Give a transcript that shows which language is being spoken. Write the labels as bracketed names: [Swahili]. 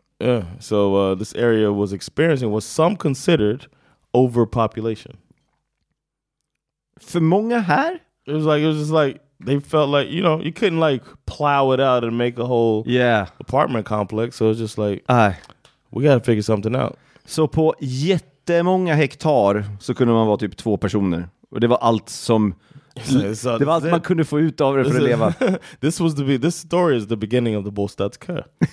[English] Yeah, so this area was experiencing what some considered overpopulation. [Swedish] För många här? [English] It was just like, they felt like, you know, you couldn't like plow it out and make a whole apartment complex. So it was just like, we gotta figure something out. [Swedish] Så på jättemånga hektar så kunde man vara typ två personer. Och det var allt som... Det var allt man kunde få ut av det för att leva. [English] This story is the beginning of the Bostadskö.